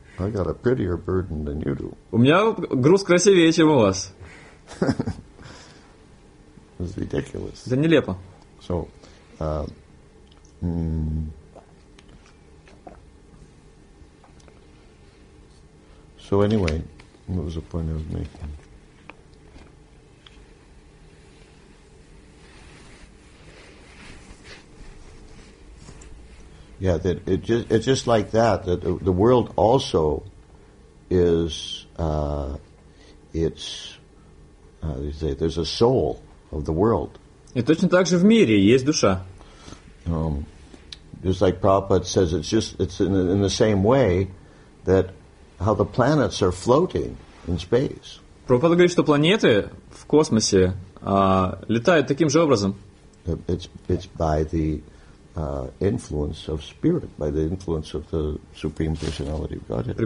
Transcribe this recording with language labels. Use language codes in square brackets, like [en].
[en] I got a prettier burden than you do. [ru] У меня груз красивее, чем у вас. [en] It's ridiculous. [ru] Это нелепо. [en] So, so anyway, what was the point I was making? Yeah, that it's just like that. That the world also is it's how do you say it? There's a soul of the world. [ru] И точно так же в мире есть душа. [en] Just like Prabhupada says, it's in the same way that how the planets are floating in space. [ru] Прабхупада говорит, что планеты в космосе летают таким же образом. [en] It's by the influence of spirit, by the influence of the Supreme Personality of Godhead.